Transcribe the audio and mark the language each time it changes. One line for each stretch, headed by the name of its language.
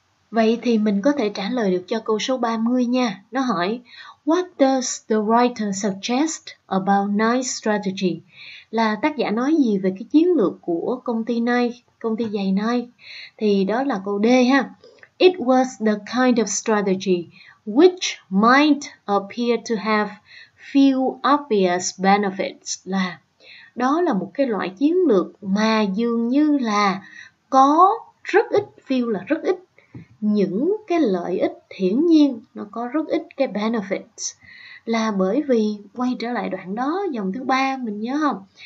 Vietnamese: Vậy thì mình có thể trả lời được cho câu số 30 nha. Nó hỏi,
English: what does the writer suggest about Nike's strategy?
Vietnamese: Là tác giả nói gì về cái chiến lược của công ty Nike, công ty giày Nike? Thì đó là câu D ha.
English: It was the kind of strategy which might appear to have few obvious benefits.
Vietnamese: Là đó là một cái loại chiến lược mà dường như là có rất ít, few là rất ít. Những cái lợi ích hiển nhiên, nó có rất ít cái benefits. Là bởi vì, quay trở lại đoạn đó, dòng thứ ba mình nhớ không?